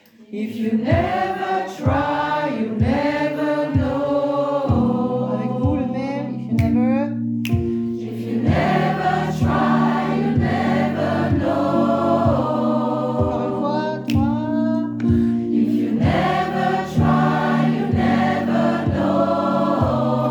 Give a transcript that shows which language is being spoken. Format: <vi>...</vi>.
<en>If you never try, you never know.</en> <fr>Avec vous le même,</fr> <en>if you never. If you never try, you never know.</en> <fr>Encore une fois, trois.</fr> <en>If you never try, you never know.</en>